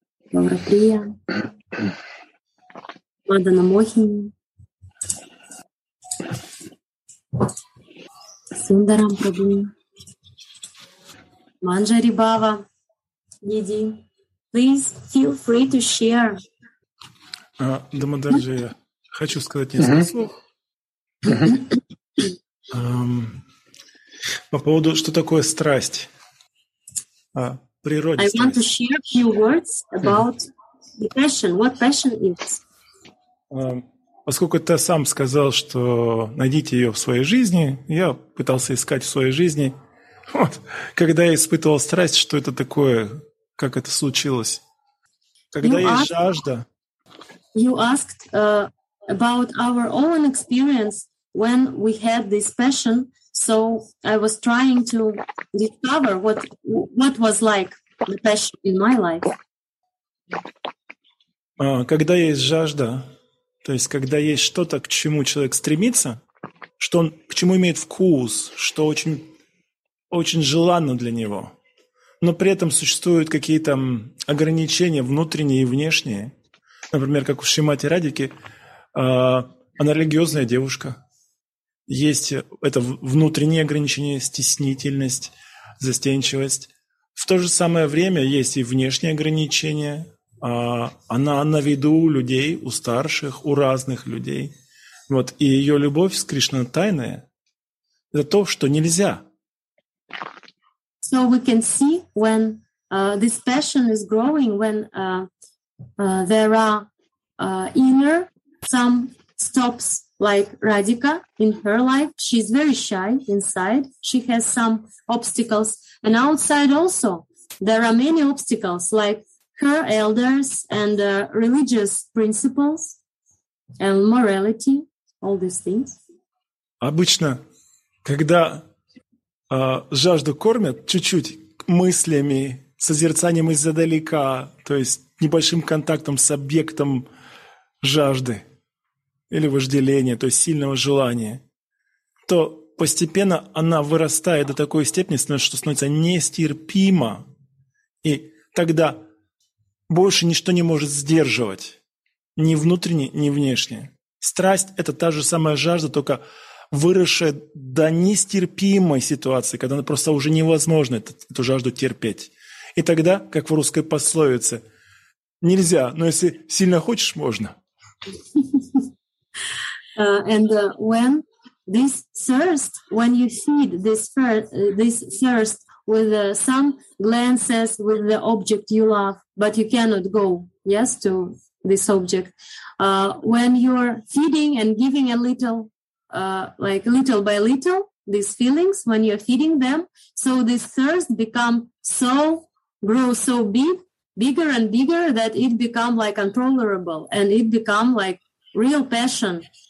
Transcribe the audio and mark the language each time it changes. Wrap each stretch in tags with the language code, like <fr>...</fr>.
<ru>Лаура Прия, Мадана Мохини, Сундарам Прабу, Манджари Бава, Диди.</ru> <en>Please feel free to share.</en> <ru>Дамодарджи, я хочу сказать несколько слов. По поводу, что такое страсть, природе страсти.</ru> <en>I want to share a few words about the passion, what passion is.</en> <ru>Поскольку ты сам сказал, что найдите ее в своей жизни, я пытался искать в своей жизни. Вот, когда я испытывал страсть, что это такое, как это случилось? Когда</ru> <en>you</en> <ru>есть жажда.</ru> <en>You asked about our own experience when we had this passion. So I was trying to discover what was like the passion in my life.</en> <ru>Когда есть жажда, то есть когда есть что-то, к чему человек стремится, что он к чему имеет вкус, что очень желанно для него, но при этом существуют какие-то ограничения внутренние и внешние. Например, как у Шримати Радики, она религиозная девушка. Есть это внутренние ограничения, стеснительность, застенчивость. В то же самое время есть и внешние ограничения. Она на виду у людей, у старших, у разных людей. Вот. И ее любовь с Кришной тайная — это то, что нельзя.</ru> <en>So we can see when this passion is growing, when there are inner some stops like Radhika in her life. She's very shy inside. She has some obstacles. And outside also, there are many obstacles like her elders and religious principles and morality, all these things.</en> <ru>Обычно, когда жажду кормят чуть-чуть мыслями, созерцанием издалека, то есть небольшим контактом с объектом жажды или вожделения, то есть сильного желания, то постепенно она вырастает до такой степени, что становится нестерпимо, и тогда больше ничто не может сдерживать ни внутренне, ни внешне. Страсть — это та же самая жажда, только выросшая до нестерпимой ситуации, когда она просто уже невозможно эту жажду терпеть. И тогда, как в русской пословице, нельзя, но если сильно хочешь, можно.</ru> <en>And when this thirst, when you feed this thirst with some glances with the object you love, but you cannot go, yes, to this object. When you're feeding and giving a little, like little by little, these feelings, when you're feeding them, so this thirst become so, grows so big, bigger and bigger that it become like uncontrollable and it become like real passion.</en>